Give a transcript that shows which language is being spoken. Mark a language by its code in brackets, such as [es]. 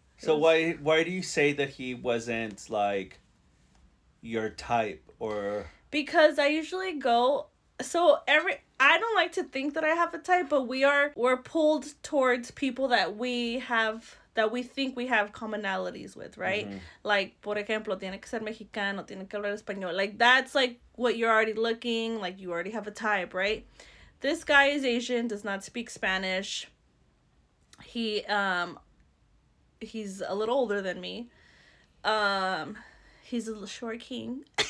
[en] Why do you say that he wasn't, like, your type or... Because I usually go... So, I don't like to think that I have a type, but we're pulled towards people that we have... that we think we have commonalities with, right? Mm-hmm. [es] Like, por ejemplo, tiene que ser mexicano, tiene que hablar español. [en] Like, that's, like, what you're already looking, like, you already have a type, right? This guy is Asian, does not speak Spanish. He's a little older than me. He's a little short king.